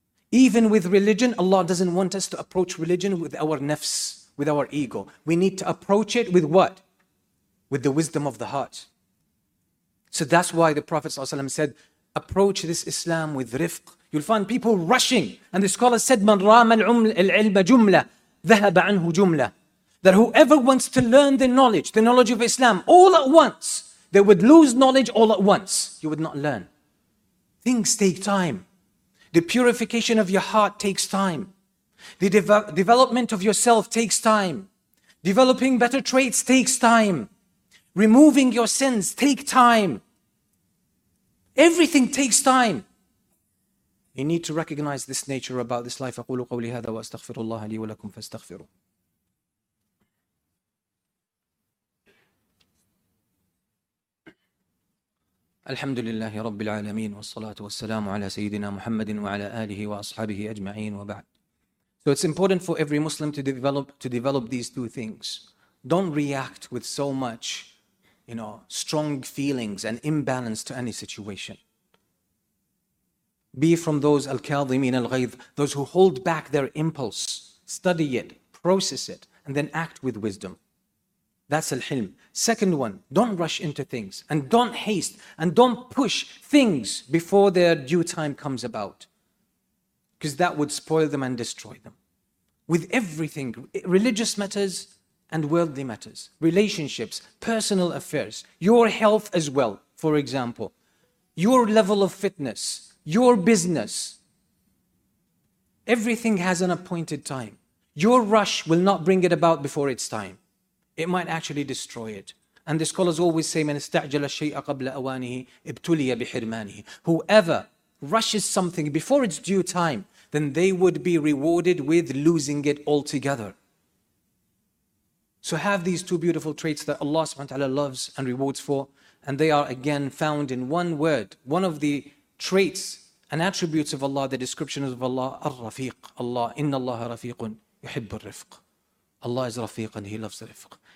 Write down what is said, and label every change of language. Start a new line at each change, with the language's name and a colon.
English: Even with religion, Allah doesn't want us to approach religion with our nafs, with our ego. We need to approach it with what? With the wisdom of the heart. So that's why the Prophet ﷺ said, approach this Islam with rifq. You'll find people rushing. And the scholars said,
Arabic: مَنْ رَامَ الْعِلْمَ جُمْلَةً ذَهَبَ عَنْهُ جُمْلَةً.
English: That whoever wants to learn the knowledge of Islam, all at once, they would lose knowledge all at once. You would not learn. Things take time. The purification of your heart takes time. The development of yourself takes time. Developing better traits takes time. Removing your sins takes time. Everything takes time. You need to recognize this nature about this life.
Arabic: أقول قولي هذا وأستغفر الله لي ولكم فاستغفروا. الحمد لله رب العالمين والصلاة والسلام على سيدنا محمد وعلى آله وأصحابه أجمعين وبعد.
English: So it's important for every Muslim to develop these two things. Don't react with so much, you know, strong feelings and imbalance to any situation. Be from those al-kadhimin al-ghayd, those who hold back their impulse. Study it, process it, and then act with wisdom. That's al-hilm. Second one, don't rush into things and don't haste and don't push things before their due time comes about. Because that would spoil them and destroy them. With everything, religious matters and worldly matters, relationships, personal affairs, your health as well, for example, your level of fitness, your business, everything has an appointed time. Your rush will not bring it about before its time. It might actually destroy it. And the scholars always say,
Arabic: مَنْ اسْتَعْجَلَ الشَّيْءَ قَبْلَ أَوَانِهِ ابْتُلِيَ بِحِرْمَانِهِ.
English: Whoever rushes something before its due time, then they would be rewarded with losing it altogether. So have these two beautiful traits that Allah subhanahu wa ta'ala loves and rewards for. And they are again found in one word. One of the traits and attributes of Allah, the description of Allah, الرَّفِيق.
Arabic: Allah, إِنَّ اللَّهَ رَفِيقٌ يُحِبُّ الرِّفْقُ.
English: Allah is Rafiq and He loves Rafiq.